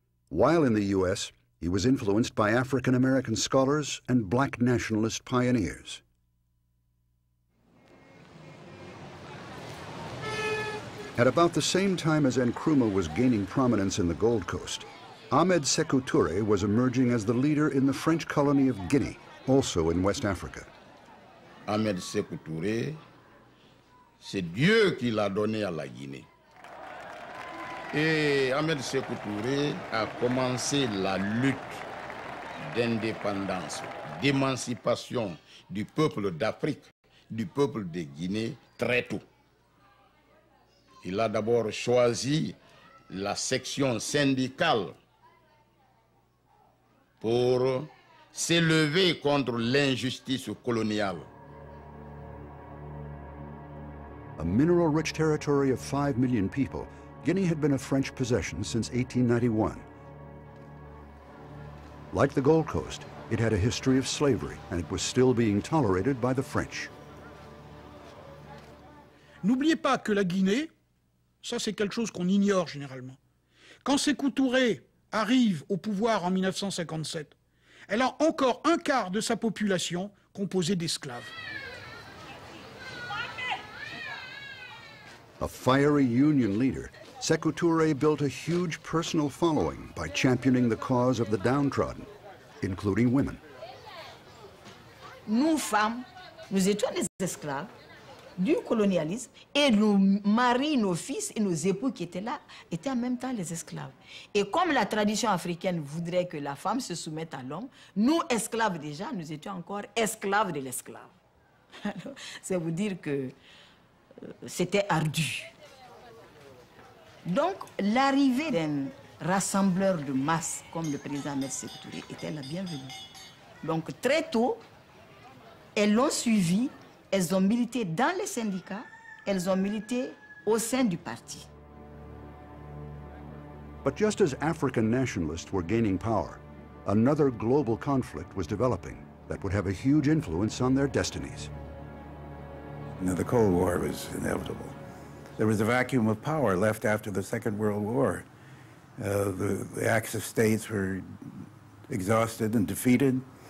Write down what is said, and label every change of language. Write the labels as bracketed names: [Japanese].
[English] While in the U.S., he was influenced by African-American scholars and black nationalist pioneers. At about the same time as Nkrumah was gaining prominence in the Gold Coast, Ahmed Sékou Touré was emerging as the leader in the French colony of Guinea, also in West Africa. [French] Ahmed Sékou Touré, c'est Dieu qui l'a donné à la Guinée. Et Ahmed Sékou Touré a commencé la lutte d'indépendance, d'émancipation du peuple d'Afrique, du peuple de Guinée très tôt. Il a d'abord choisi la section syndicale pour s'élever contre l'injustice coloniale. [English] A mineral-rich territory of 5 million people, Guinea had been a French possession since 1891. Like the Gold Coast, it had a history of slavery, and it was still being tolerated by the French. [French] N'oubliez pas que la Guinée, ça c'est quelque chose qu'on ignore généralement. Quand Sékou Touré arrive au pouvoir en 1957, elle a encore un quart de sa population composée d'esclaves. [English] A fiery union leader, Sékou Touré built a huge personal following by championing the cause of the downtrodden, including women. [French] Nous femmes, nous étions les esclaves du colonialisme et nos maris, nos fils et nos époux qui étaient là étaient en même temps les esclaves. Et comme la tradition africaine voudrait que la femme se soumette à l'homme, nous esclaves déjà, nous étions encore esclaves de l'esclave. Alors, c'est vous dire que c'était ardu. Donc, l'arrivée d'un rassembleur de masse comme le président Ahmed Sékou Touré était la bienvenue. Donc, très tôt, elles l'ont suivi, elles ont milité dans les syndicats, elles ont milité au sein du parti. [English] But just as African nationalists were gaining power, another global conflict was developing that would have a huge influence on their destinies. Now, the Cold War was inevitable. There was a vacuum of power left after the Second World War. The Axis of states were exhausted and defeated.